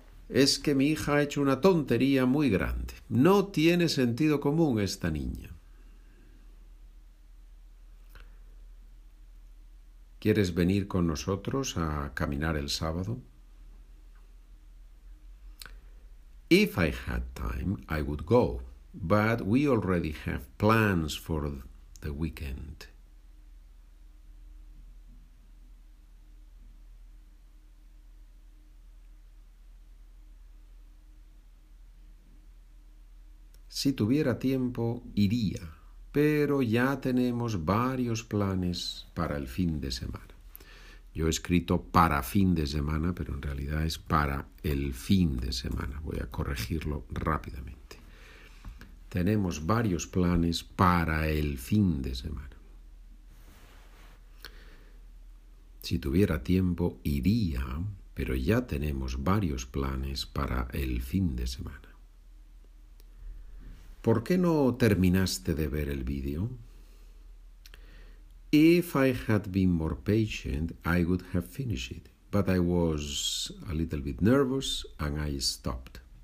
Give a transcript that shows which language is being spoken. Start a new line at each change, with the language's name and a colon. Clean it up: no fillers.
Spanish: es que mi hija ha hecho una tontería muy grande. No tiene sentido común esta niña. ¿Quieres venir con nosotros a caminar el sábado?
English: If I had time, I would go, but we already have plans for the weekend.
Spanish: Si tuviera tiempo, iría, pero ya tenemos varios planes para el fin de semana. Yo he escrito para fin de semana, pero en realidad es para el fin de semana. Voy a corregirlo rápidamente. Tenemos varios planes para el fin de semana. Si tuviera tiempo, iría, pero ya tenemos varios planes para el fin de semana. ¿Por qué no terminaste de ver el vídeo?
English: If I had been more patient, I would have finished it, but I was a little bit nervous and I stopped.